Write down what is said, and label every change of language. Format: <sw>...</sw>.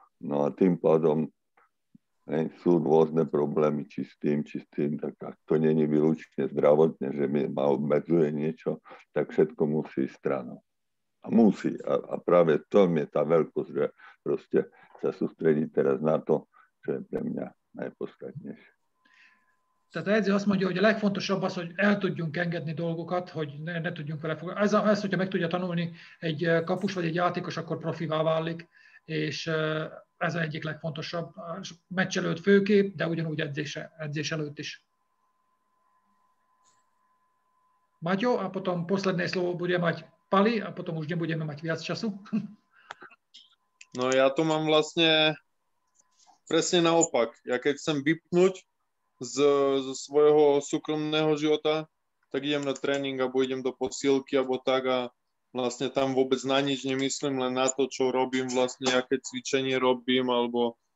<sk>No a tým pádom sú rôzne problémy, či s tým, tak ak to nie je výlučne zdravotne, že mi ma obmedzuje niečo, tak všetko musí ísť stranou. A musí. A práve to mi je tá veľkosť, že proste sa sústrediť teraz na to, čo je pre mňa najpodstatnejšie.</sk> <hu>Tehát edző azt mondja, hogy a legfontosabb az, hogy el tudjunk engedni dolgokat, hogy ne tudjunk vele foglalkozni. Ez, hogyha meg tudja tanulni egy kapus vagy egy játékos, akkor profivá válik, és ez egyik legfontosabb. Meccs előtt főkép, de ugyanúgy edzés előtt is.</hu> <sk>Maťo, a potom posledné slovo bude mať Pali, a potom už nebudeme mať viac času. No ja to mám vlastne presne naopak. Ja keď chcem vypnúť zo svojho súkromného života, tak idem na tréning alebo idem do posilky alebo tak a vlastne tam vôbec na nič nemyslím, len na to, čo robím vlastne, aké cvičenie robím alebo</sk>